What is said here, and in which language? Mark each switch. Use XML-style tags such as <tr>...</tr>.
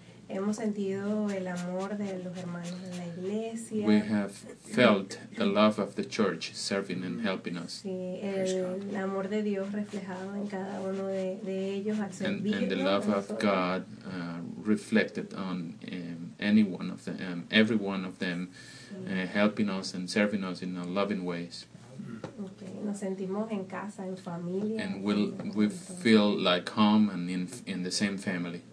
<es>hemos sentido el amor de los hermanos en la iglesia.</es> <en>We have felt the love of the church serving and helping us.</en> <es>Sí, el amor de Dios reflejado en cada uno de ellos al servir.</es> <en>And the love of God reflected on any one of them, every one of them, helping us and serving us in loving ways.</en> <es>Okay. nos sentimos en casa, en familia.</es> <en>And we feel like home and in the same family.</en>